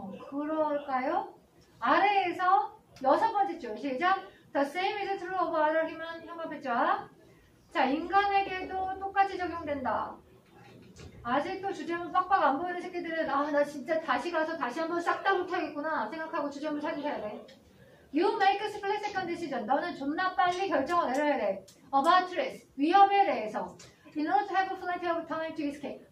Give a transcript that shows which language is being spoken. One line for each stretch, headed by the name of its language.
Korean: 그럴까요? 아래에서 여섯 번째 줄 시작.
English: The same is true of other human
Korean: 형합했죠. 자 인간에게도 똑같이 적용된다. 아직도 주제문 빡빡 안 보이는 새끼들은 아 나 진짜 다시 가서 다시 한번 싹 다 못하겠구나 생각하고 주제문 찾으셔야 돼.
English: You make a split second decision.
Korean: 너는 존나 빨리 결정을 내려야 돼.
English: About threats
Korean: 위협에 대해서.
English: In order to have plenty of time to escape.